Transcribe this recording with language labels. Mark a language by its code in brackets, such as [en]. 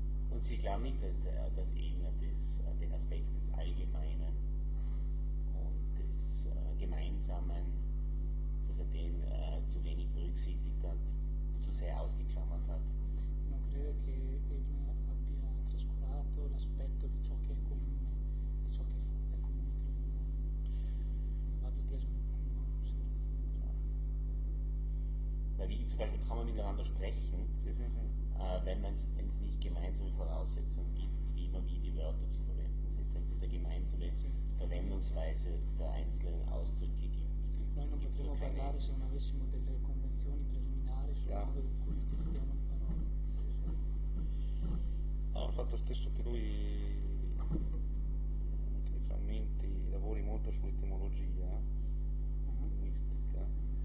[de] Und Sie glauben nicht, dass das eben das, den Aspekt des Allgemeinen und des Gemeinsamen, dass er den zu wenig berücksichtigt hat, zu sehr ausgeklammert hat? [it] Non credo che Ebner abbia trascurato l'aspetto di ciò che è comune, di ciò che è comune tra noi. [de] Weil wie zum Beispiel kann man miteinander sprechen, wenn man es nicht gemeinsame Voraussetzungen gibt, wie immer wie die Wörter zu verwenden sind, wenn es der gemeinsame Verwendungsweise der einzelnen Ausdrücke gibt. [it] Noi non potremmo parlare se non avessimo delle convenzioni preliminari sul modo in cui utilizziamo le parole. Allora, il fatto stesso che lui nei frammenti lavori molto sull'etimologia, linguistica.